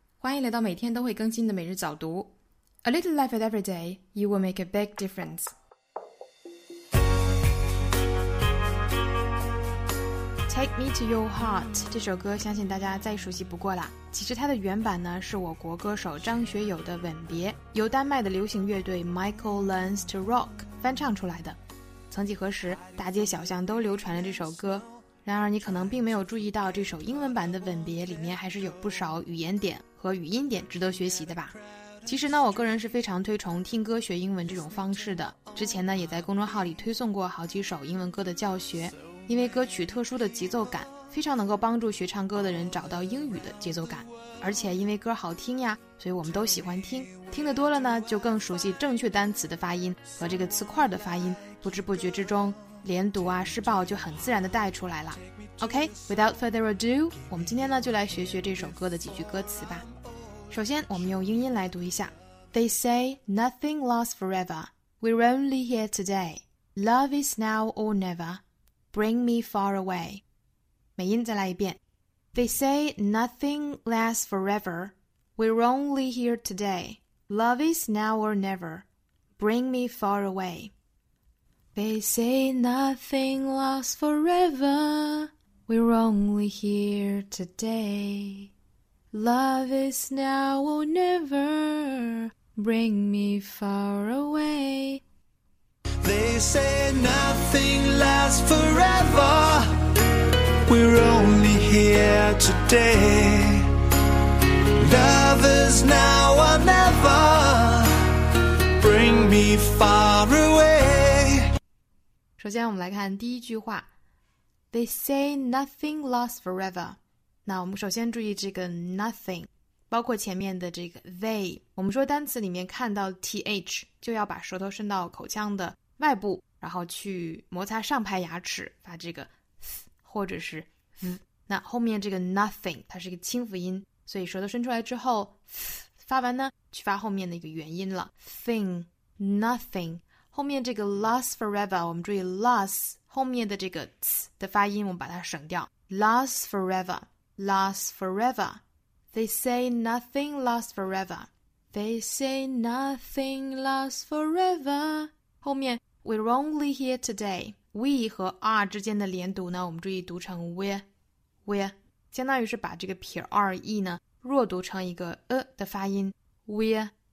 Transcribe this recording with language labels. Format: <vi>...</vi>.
<zh>欢迎来到每天都会更新的每日早读。</zh> <en>A little life at every day, you will make a big difference.</en> <zh>Take Me to Your Heart 这首歌相信大家再熟悉不过了。其实它的原版呢是我国歌手张学友的《吻别》，由丹麦的流行乐队 Michael Learns to Rock 翻唱出来的。曾几何时，大街小巷都流传了这首歌。然而你可能并没有注意到这首英文版的《吻别》里面还是有不少语言点和语音点值得学习的吧。其实呢，我个人是非常推崇听歌学英文这种方式的，之前呢也在公众号里推送过好几首英文歌的教学，因为歌曲特殊的节奏感非常能够帮助学唱歌的人找到英语的节奏感，而且因为歌好听呀，所以我们都喜欢听，听得多了呢就更熟悉正确单词的发音和这个词块的发音，不知不觉之中连读啊试爆就很自然的带出来了。</zh> <en>OK, without further ado,</en> <zh>我们今天呢就来学学这首歌的几句歌词吧。首先我们用英音来读一下。</zh> <en>They say nothing lasts forever, we're only here today, love is now or never, bring me far away.</en> <zh>美音再来一遍。</zh> <en>They say nothing lasts forever, we're only here today, love is now or never, bring me far away. They say nothing lasts forever, we're only here today. Love is now or never, bring me far away. They say nothing lasts forever, we're only here today. Love is now or never, bring me far away.</en> <zh>首先我们来看第一句话，</zh> <en>They say nothing lasts forever.</en> <zh>那我们首先注意这个 nothing, 包括前面的这个 they, 我们说单词里面看到 th, 就要把舌头伸到口腔的外部，然后去摩擦上排牙齿，发这个 th 或者是 th。那后面这个 nothing, 它是一个清辅音，所以舌头伸出来之后 th 发完呢，去发后面的一个元音了， thing, nothing,后面这个 last forever, 我们注意 last 后面的这个 t 的发音我们把它省掉，</zh> <en>last forever, last forever. They say nothing lasts forever, they say nothing lasts forever.</en> <zh>后面</zh> <en>we're only here today,</en> <zh>we 和 r 之间的连读呢，我们注意读成 we 相当于是把这个撇 re 呢弱读成一个的发音， we.</zh>